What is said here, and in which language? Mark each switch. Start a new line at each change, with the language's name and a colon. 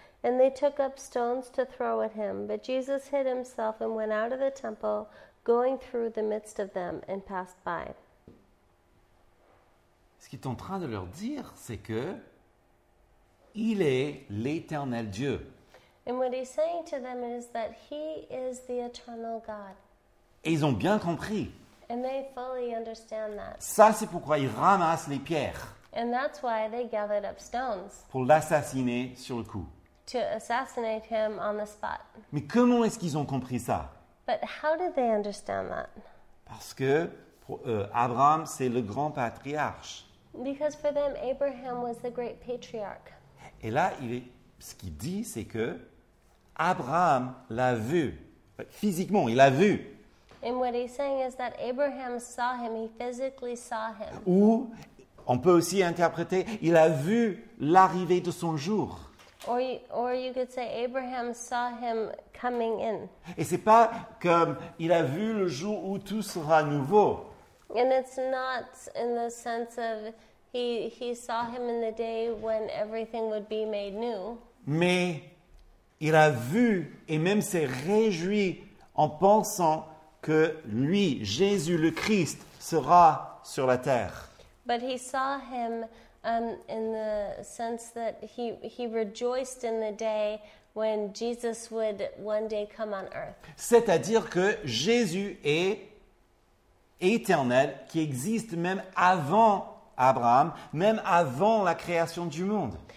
English: And they took up stones to throw at him, but Jesus hid himself and went out of the temple, going through the midst of them and passed by.
French: Ce qu'il est en train de leur dire, c'est que il est l'Éternel Dieu.
English: And what he's saying to them is that he is the eternal God.
French: Et ils ont bien compris.
English: And they fully understand that.
French: Ça, c'est pourquoi ils ramassent les pierres.
English: And that's why they gathered up stones.
French: Pour l'assassiner sur le coup.
English: To assassinate him on the spot.
French: Mais comment est-ce qu'ils ont compris ça?
English: But how did they understand that?
French: Parce que pour eux, Abraham, c'est le grand patriarche.
English: Because for them, Abraham was the great patriarch.
French: Et là, ce qu'il dit, c'est que Abraham l'a vu. Physiquement, il l'a vu.
English: And what he's saying is that Abraham saw him, he physically saw him.
French: Ou, on peut aussi interpréter, il a vu l'arrivée de son jour.
English: Or you could say Abraham saw him coming in.
French: Et c'est pas comme il a vu le jour où tout sera nouveau.
English: And it's not in the sense of he saw him in the day when everything would be made new.
French: Mais il a vu et même s'est réjoui en pensant que lui, Jésus le Christ, sera sur la terre.
English: But he saw him in the sense that he rejoiced in the day when Jesus would one day come on earth.
French: C'est-à-dire que Jésus est éternel, qui existe même avant Abraham, même avant la création du monde.